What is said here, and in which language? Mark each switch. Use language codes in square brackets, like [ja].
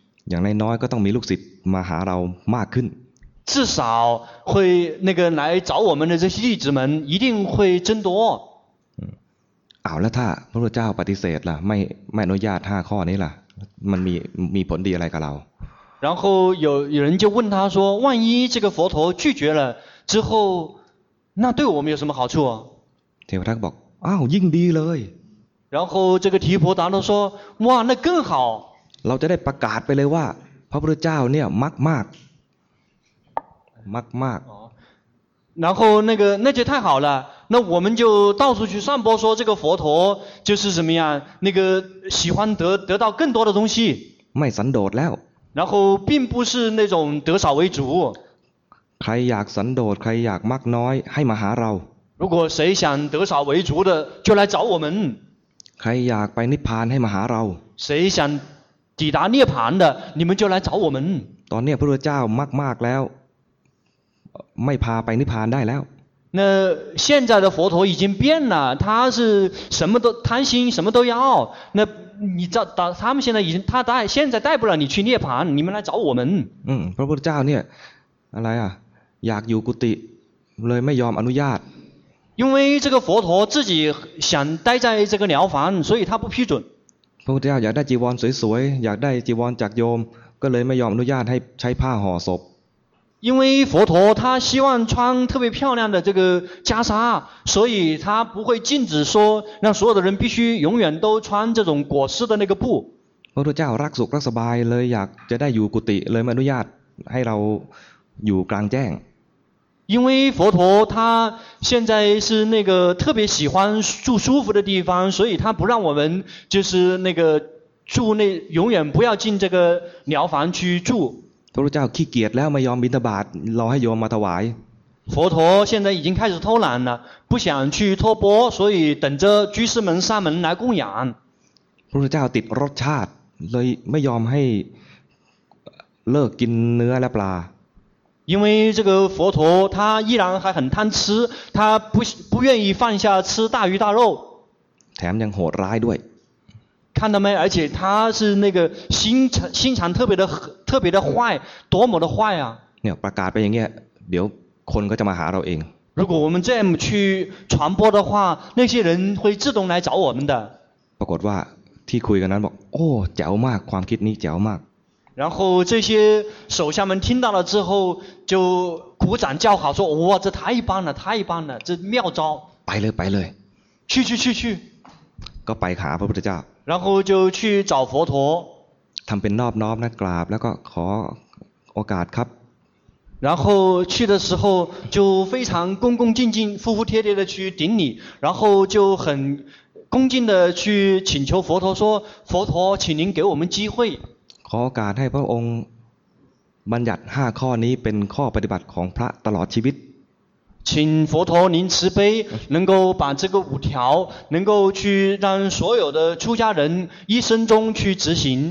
[th] อย่างน้อยก็ต้องมีลูกศิษย์มาหาเรามากขึ้น [zh] 至少会那个来找我们的这些弟子们一定会增多 [th] เอาแล้วถ้าพระพุทธเจ้าปฏิเสธล่ะไม่อนุญาต5ข้อนี้ล่ะมันมีผลดีอะไรกับเรา [zh] 然后有人就问他说万一这个佛陀拒绝了之后那对我们有什么好处 [th] เทวทัตบอกอ้าวยิ่งดีเลย [zh] 然后这个提婆达多说哇那更好 [th] เราจะได้ประกาศไปเลยว่าพระพุทธเจ้าเนี่ยมาก [zh] ๆ然后那就太好了那我们就到处去散播说这个佛陀就是怎么样那个喜欢得到更多的东西 [th] ไม่สันโดษแล้ว [zh] 然后并不是那种得少为主 [th] ใครอยากสันโดษใครอยากมากน้อยให้มาหาเรา [zh] 如果谁想得少为足的就来找我们 [th] ใครอยากไปนิพพานให้มาหาเรา [zh] 谁想抵达涅槃的你们就来找我们 [th] ตอนนี้พระเจ้ามากมากแล้วไม่พาไปนิพพานได้แล้ว [zh] 那现在的佛陀已经变了他是什么都贪心什么都要那你找到他们现在已经他带现在带不了你去涅槃你们来找我们 [th] พระพุทธเจ้าเนี่ยอะไรอ่ะอยากอยู่กุฏิเลยไม่ยอมอนุญาต [zh] 因为这个佛陀自己想待在这个寮房所以他不批准 [th] พระพุทธเจ้าอยากได้จีวรสวยๆอยากได้จีวรจากโยมก็เลยไม่ยอมอนุญาตให้ใช้ผ้าห่อศพ [zh] 因为佛陀他希望穿特别漂亮的这个袈裟所以他不会禁止说让所有的人必须永远都穿这种裹尸的那个布 [th] พระพุทธเจ้ารักสุขรักสบายเลยอยากจะได้อยู่กุฏิเลยไม่อนุญาตให้เราอยู่กลางแจ้ง [zh] 因为佛陀他现在是那个特别喜欢住舒服的地方所以他不让我们就是那个住那永远不要进这个寮房去住 [th] พระพุทธเจ้าขี้เกียจแล้วไม่ยอมบิณฑบาตรอให้โยมมาถวาย [zh] 佛陀现在已经开始偷懒了不想去托钵所以等着居士们上门来供养 [th] พระพุทธเจ้าติดรสชาติเลยไม่ยอมให้เลิกกินเนื้อและปลา [zh] 因为这个佛陀他依然还很贪吃他 不愿意放下吃大鱼大肉 [th] แถมยังโหดร้ายด้วย [zh] 看到没而且他是那个心肠特别的坏多么的坏啊 [th] เนี่ยประกาศไปอย่างเงี้ยเดี๋ยวคนก็จะมาหาเราเอง [zh] 如果我们这样去传播的话那些人会自动来找我们的 [th] ปรากฏว่าที่คุยกันนั้นบอกโอ้แจ๋วมากความคิดนี้แจ๋วมาก [zh] 然后这些手下们听到了之后就鼓掌叫好说哇这太棒了太棒了这妙招 [th] ไปเลยไปเลย [zh] 去 [th] ก็ไปหาพระพุทธเจ้า [zh] 然后就去找佛陀 [th] ทำเป็นนอบน้อมนะกราบแล้วก็ขอโอกาสครับ [zh] 然后去的时候就非常恭恭敬敬服服帖帖的去顶礼然后就很恭敬的去请求佛陀说佛陀请您给我们机会 [th] ขอโอกาสให้พระองค์บัญญัติ5ข้อนี้เป็นข้อปฏิบัติของพระตลอดชีวิต [zh] 请佛陀您慈悲能够把这个五条能够去让所有的出家人一生中去执行